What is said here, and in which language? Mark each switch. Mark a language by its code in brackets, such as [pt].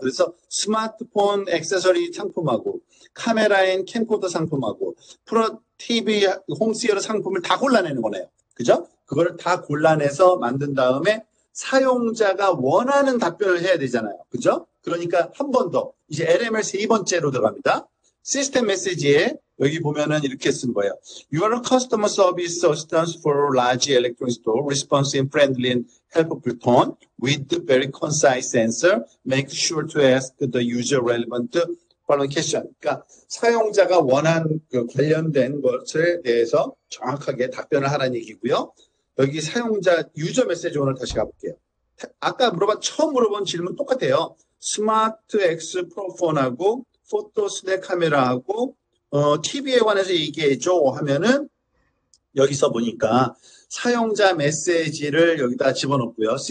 [ko] 그래서 스마트폰 액세서리 상품하고 카메라인 캠코더 상품하고 프로 TV 홈시어 상품을 다 골라내는 거네요. 그죠? 그거를 다 골라내서 만든 다음에 사용자가 원하는 답변을 해야 되잖아요. 그죠? 그러니까 한번 더. 이제 LML 세 번째로 들어갑니다. 시스템 메시지에 여기 보면은 이렇게 쓴 거예요. [en] Your customer service stands for large electronic store, responsive, friendly, and helpful tone with very concise answer. Make sure to ask the user relevant following question. [ko] 그러니까 사용자가 원한 그 관련된 것에 대해서 정확하게 답변을 하라는 얘기고요. 여기 사용자 유저 메시지 오늘 다시 가볼게요. 아까 물어봤 처음 물어본 질문 똑같아요. 스마트 엑스 프로폰하고 포토 스냅 카메라하고 TV에 관해서 얘기해줘 하면은 여기서 보니까 사용자 메시지를 여기다 집어넣고요.